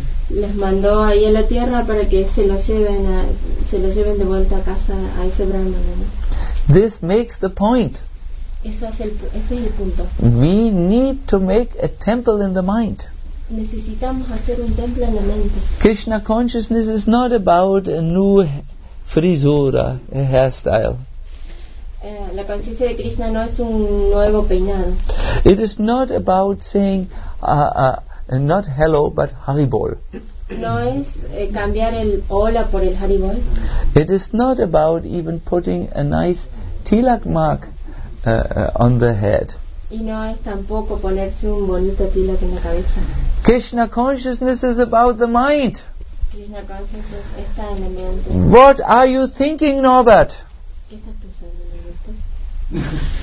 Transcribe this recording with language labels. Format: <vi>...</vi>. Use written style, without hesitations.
<es>Les mandó ahí a la tierra para que se lo lleven de vuelta a casa a ese brahmana.</es> <en>This makes the point.</en> <es>Eso es el punto.</es> <en>We need to make a temple in the mind.</en> <es>Necesitamos hacer un templo en la mente.</es> <en>Krishna consciousness is not about a new frisura, a hairstyle.</en> <es>La conciencia de Krishna no es un nuevo peinado.</es> <en>It is not about saying not hello but Haribol.</en> <es>No es cambiar el hola por el Haribol.</es> <en>It is not about even putting a nice tilak mark on the head.</en> <es>Y no es tampoco ponerse un bonito tilak en la cabeza.</es> <en>Krishna consciousness is about the mind.</en> <es>Krishna consciousness está en la mente.</es> <en>What are you thinking, Norbert?</en> <es>¿Qué estás pensando, Norbert?</es>